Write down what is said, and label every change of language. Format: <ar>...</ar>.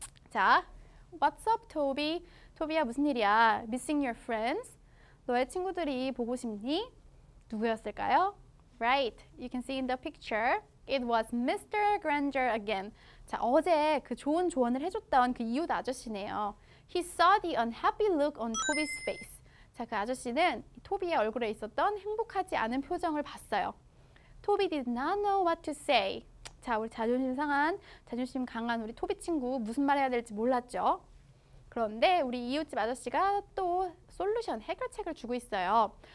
<en>자, What's up, Toby?</en> <ko>토비야, 무슨 일이야?</ko> <en>Missing your friends?</en> <ko>너의 친구들이 보고 싶니? 누구였을까요?</ko> <en>Right, you can see in the picture. It was Mr. Granger again.</en> <ko>자, 어제 그 좋은 조언을 해줬던 그 이웃 아저씨네요.</ko> <en>He saw the unhappy look on Toby's face.</en> <ko>자, 그 아저씨는 토비의 얼굴에 있었던 행복하지 않은 표정을 봤어요.</ko> <en>Toby did not know what to say.</en> <ko>자, 우리 자존심 상한, 자존심 강한 우리 토비 친구 무슨 말 해야 될지 몰랐죠. 그런데 우리 이웃집 아저씨가 또 솔루션, 해결책을 주고 있어요.</ko>